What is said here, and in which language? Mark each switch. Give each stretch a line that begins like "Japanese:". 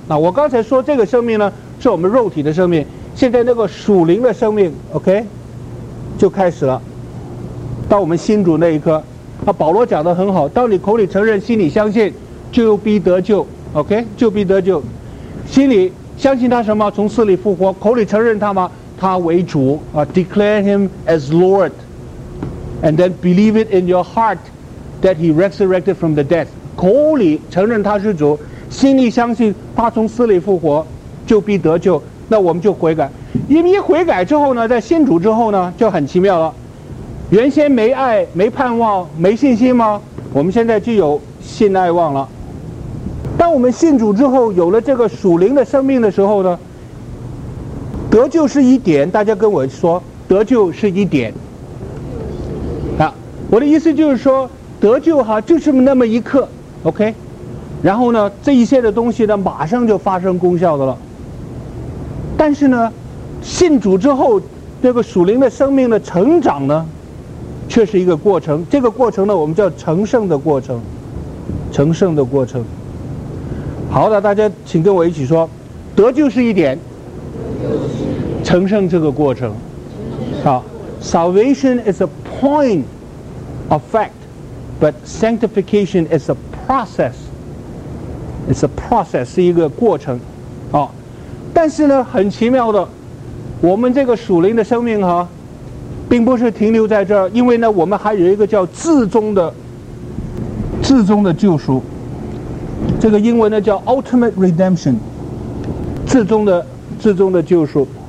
Chinese: 那我刚才说这个生命呢是我们肉体的生命，现在那个属灵的生命 OK 就开始了。当我们信主那一刻啊，保罗讲得很好，当你口里承认心里相信就必得救 OK， 就必得救，心里相信他什么？从死里复活，口里承认他吗？他为主啊
English: ，declare him as Lord， and then believe it in your heart that he resurrected from the dead。
Chinese: 口里承认他是主，心里相信他从死里复活，就必得救。那我们就悔改，因为一悔改之后呢，在信主之后呢，就很奇妙了。原先没爱、没盼望、没信心吗？我们现在就有信、爱、望了。当我们信主之后有了这个属灵的生命的时候呢，得救是一点，大家跟我说，得救是一点啊，我的意思就是说得救哈就是那么一刻 OK， 然后呢这一切的东西呢马上就发生功效的了。但是呢，信主之后，这个属灵的生命的成长呢，却是一个过程。这个过程呢，我们叫成圣的过程，成圣的过程。好的，大家请跟我一起说，得救是一点，成圣这个过程。
English: 好 ，salvation is a point of fact, but sanctification is a process. It's a process,
Chinese: 是一个过程。好，但是呢，很奇妙的，我们这个属灵的生命哈，并不是停留在这儿，因为呢，我们还有一个叫至终的救赎。这个英文呢叫 ultimate redemption， 至终的救赎。